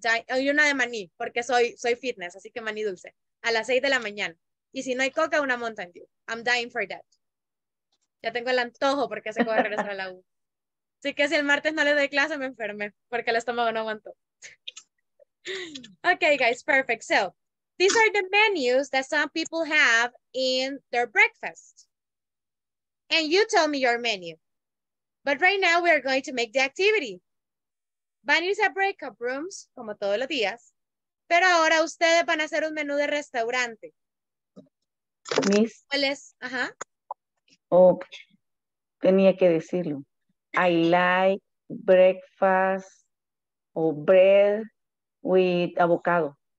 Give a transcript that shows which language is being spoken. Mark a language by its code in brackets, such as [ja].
[es] Y una de maní, porque soy fitness, así que maní dulce, a las 6 de la mañana. Y si no hay coca, una Mountain Dew. [en] I'm dying for that. [es] Ya tengo el antojo porque se puede regresar a la U. Así que si el martes no le doy clase, me enfermé porque el estómago no aguantó. [en] Okay, guys, perfect. So, these are the menus that some people have in their breakfast. And you tell me your menu. But right now, we are going to make the activity. [es] Van a irse a breakout rooms, como todos los días. Pero ahora ustedes van a hacer un menú de restaurante. [en] Miss. [es] ¿Cuál es? Ajá. Oh, tenía que decirlo. [en] I like breakfast or bread with avocado.